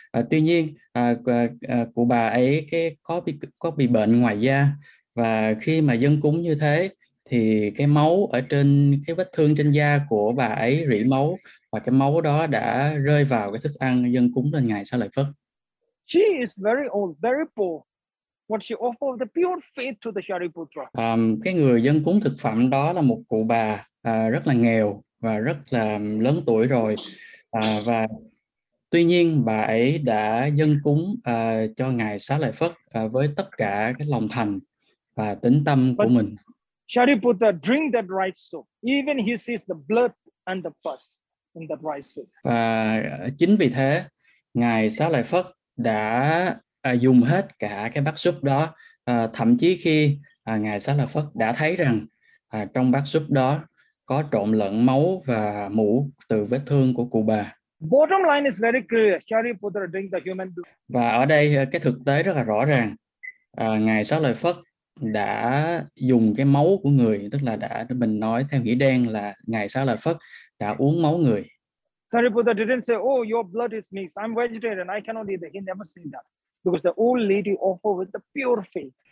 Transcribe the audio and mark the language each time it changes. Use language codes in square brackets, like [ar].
[vi] Tuy nhiên của bà ấy cái có bị bệnh ngoài da, và khi mà dâng cúng như thế thì cái máu ở trên cái vết thương trên da của bà ấy rỉ máu, và cái máu đó đã rơi vào cái thức ăn dâng cúng lên ngài Xá Lợi Phất. [en] She is very old, very poor. What she offered the pure faith to the Shariputra. [vi] Cái người dâng cúng thực phẩm đó là một cụ bà rất là nghèo và rất là lớn tuổi rồi, và tuy nhiên bà ấy đã dâng cúng cho ngài Xá Lợi Phất với tất cả cái lòng thành và tính tâm của mình. [en] Shariputra drink that rice soup. Even he sees the blood and the pus in that rice soup. [vi] Và chính vì thế ngài Xá Lợi Phất đã dùng hết cả cái bát súp đó, thậm chí khi ngài Xá Lợi Phất đã thấy rằng trong bát súp đó có trộn lẫn máu và mủ từ vết thương của cụ bà. [en] Bottom line is very clear. Shariputra drink the human blood. [vi] Và ở đây cái thực tế rất là rõ ràng, ngài Xá Lợi Phất đã dùng cái máu của người, tức là đã mình nói theo nghĩa đen là ngài Xá Lợi Phất đã uống máu người. [en] Shariputra didn't say, oh, your blood is mixed. I'm vegetarian. I cannot eat it. He never said that. Because the old lady offered with the pure faith.